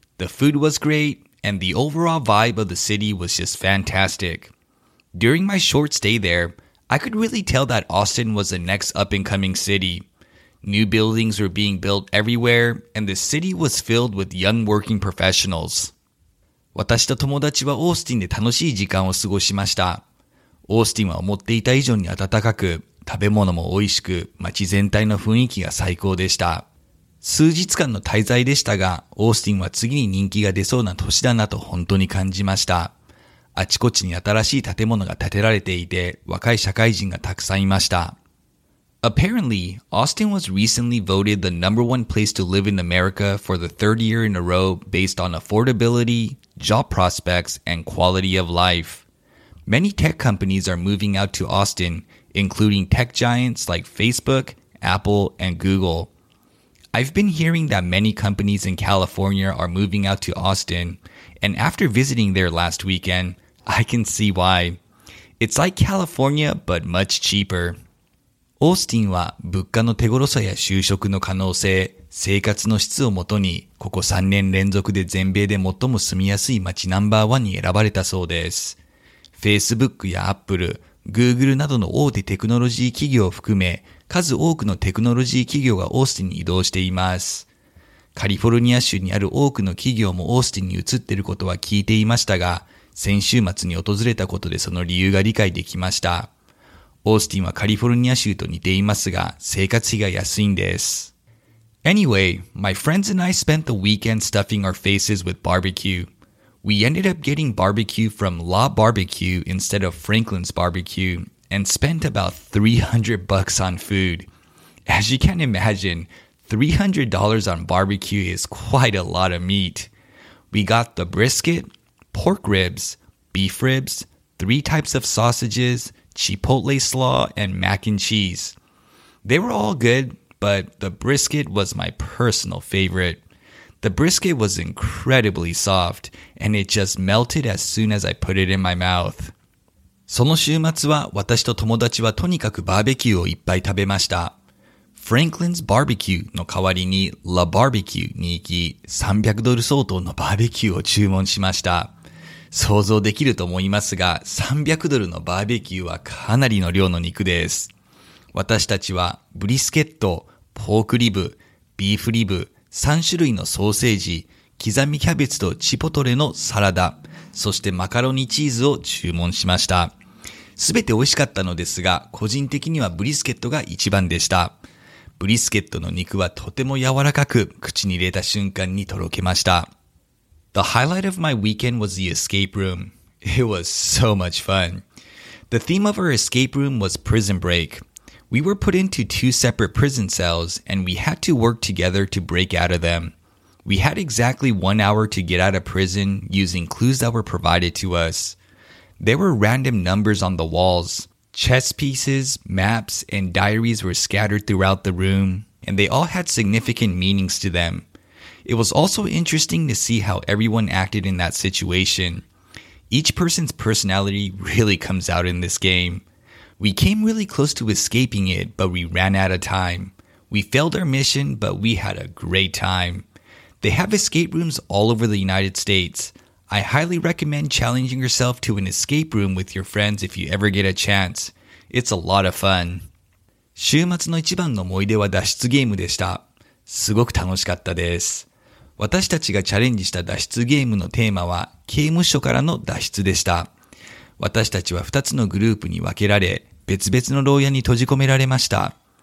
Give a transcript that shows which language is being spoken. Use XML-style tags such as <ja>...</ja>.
<en>The food was great, and the overall vibe of the city was just fantastic. During my short stay there, I could really tell that Austin was the next up-and-coming city. New buildings were being built everywhere, and the city was filled with young working professionals.</en> <ja>私と友達はオースティンで楽しい時間を過ごしました。オースティンは思っていた以上に暖かく、食べ物も美味しく、街全体の雰囲気が最高でした。数日間の滞在でしたが、オースティンは次に人気が出そうな都市だなと本当に感じました。あちこちに新しい建物が建てられていて、若い社会人がたくさんいました。</ja> <en>Apparently, Austin was recently voted the number one place to live in America for the third year in a row based on affordability, job prospects, and quality of life. Many tech companies are moving out to Austin, including tech giants like Facebook, Apple, and Google. I've been hearing that many companies in California are moving out to Austin, and after visiting there last weekend, I can see why. It's like California, but much cheaper.</en> <ja>オースティンは物価の手頃さや就職の可能性、生活の質をもとに、ここ3年連続で全米で最も住みやすい街ナンバーワンに選ばれたそうです。 Facebook や Apple、Google などの大手テクノロジー企業を含め、数多くのテクノロジー企業がオースティンに移動しています。カリフォルニア州にある多くの企業もオースティンに移っていることは聞いていましたが、先週末に訪れたことでその理由が理解できました。オースティンはカリフォルニア州と似ていますが、生活費が安いんです。</ja> <en>Anyway, my friends and I spent the weekend stuffing our faces with barbecue. We ended up getting barbecue from La Barbecue instead of Franklin's Barbecue. And spent about $300 on food. As you can imagine, $300 on barbecue is quite a lot of meat. We got the brisket, pork ribs, beef ribs, three types of sausages, chipotle slaw, and mac and cheese. They were all good, but the brisket was my personal favorite. The brisket was incredibly soft, and it just melted as soon as I put it in my mouth.</en> <ja>その週末は私と友達はとにかくバーベキューをいっぱい食べました。 Franklin's Barbecue の代わりに La Barbecue に行き、$300相当のバーベキューを注文しました。想像できると思いますが、$300のバーベキューはかなりの量の肉です。私たちはブリスケット、ポークリブ、ビーフリブ、3種類のソーセージ、刻みキャベツとチポトレのサラダ、そしてマカロニチーズを注文しました。すべて美味しかったのですが、個人的にはブリスケットが一番でした。ブリスケットの肉はとても柔らかく、口に入れた瞬間にとろけました。</ja> <en>The highlight of my weekend was the escape room. It was so much fun. The theme of our escape room was prison break. We were put into two separate prison cells, and we had to work together to break out of them. We had exactly 1 hour to get out of prison using clues that were provided to us. There were random numbers on the walls. Chess pieces, maps, and diaries were scattered throughout the room, and they all had significant meanings to them. It was also interesting to see how everyone acted in that situation. Each person's personality really comes out in this game. We came really close to escaping it, but we ran out of time. We failed our mission, but we had a great time. They have escape rooms all over the United States. I highly recommend challenging yourself to an escape room with your friends if you ever get a chance. It's a lot of fun.</en> <ja>週末の一番の思い出は脱出ゲームでした。すごく楽しかったです。私たちがチャレンジした脱出ゲームのテーマは刑務所からの脱出でした。私たちは2つのグループに分けられ、別々の牢屋に閉じ込められました。</ja>